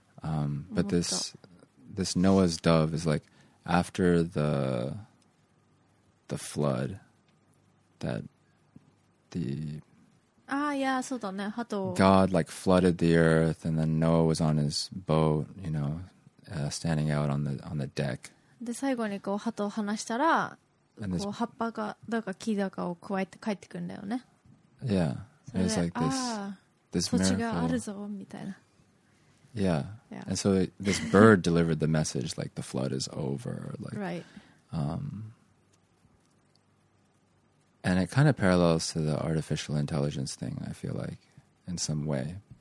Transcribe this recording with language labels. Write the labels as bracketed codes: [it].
[en] But this Noah's dove is like after the flood that... God like flooded the earth, and then Noah was on his boat, you know, standing out on the deck. [ja] で最後にこう鳩を離したら、こう葉っぱがだか木だかを加えて帰ってくるんだよね。 [en] Yeah, it's like this [ja] miracle. 土地があるぞみたいな。 [en] Yeah, and so this bird delivered the message like the flood is over. Like, right. And it kind of parallels to the artificial intelligence thing, I feel like, in some way.